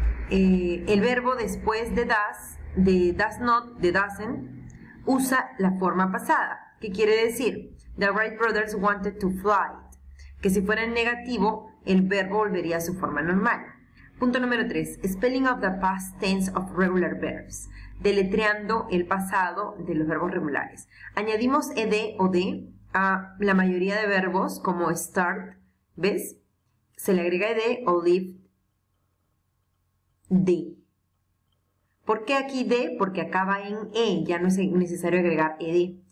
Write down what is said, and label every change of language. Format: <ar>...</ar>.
<es>El verbo después de doesn't, usa la forma pasada. ¿Qué quiere decir?</es> <en>The Wright Brothers wanted to fly.</en> <es>Que si fuera en negativo, el verbo volvería a su forma normal. Punto número 3.</es> <en>Spelling of the past tense of regular verbs.</en> <es>Deletreando el pasado de los verbos regulares. Añadimos ed o de a la mayoría de verbos como start, ¿ves? Se le agrega ed o lift, de. ¿Por qué aquí de? Porque acaba en e, ya no es necesario agregar ed.</es>